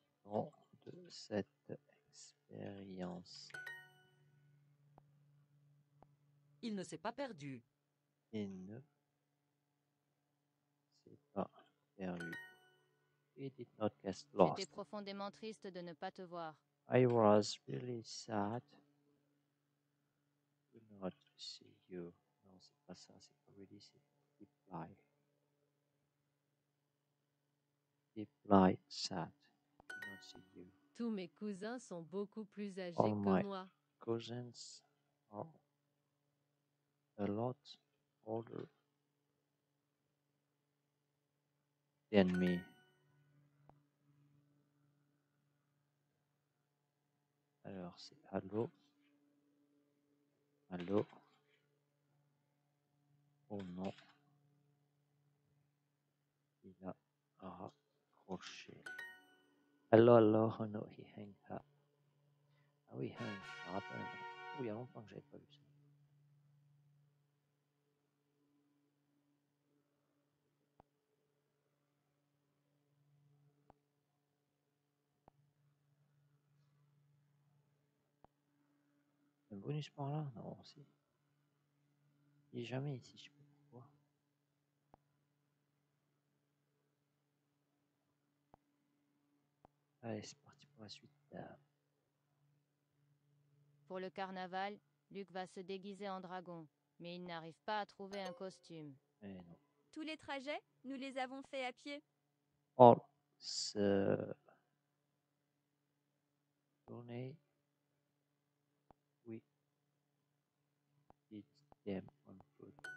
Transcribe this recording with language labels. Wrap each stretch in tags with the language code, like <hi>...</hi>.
<fr>Nous souviendrons de cette expérience. Il ne s'est pas perdu. Il ne s'est pas perdu.</fr> <en>He did not get lost.</en> <fr>J'étais profondément triste de ne pas te voir.</fr> <en>I was really sad to not see you.</en> <fr>Non, c'est pas ça. C'est pas</fr> <en>really sad. Bye. Reply sad.</en> <fr>Tous mes cousins sont beaucoup plus âgés que moi.</fr> <en>All my cousins are a lot older than me.</en> <fr>Alors c'est allô, allô, oh non, il a raccroché.</fr> <en>Hello, hello, oh no, he hang up.</en> <fr>Ah oui,</fr> <en>hang up.</en> <fr>Oh, il y a longtemps que j'avais pas vu ça. Un bonus par là? Non, on sait. Il est jamais ici, je sais pas pourquoi. Allez, c'est parti pour la suite. Pour le carnaval, Luc va se déguiser en dragon, mais il n'arrive pas à trouver un costume. Non. Tous les trajets, nous les avons faits à pied.</fr> <en>All the journey, we did them on foot.</en>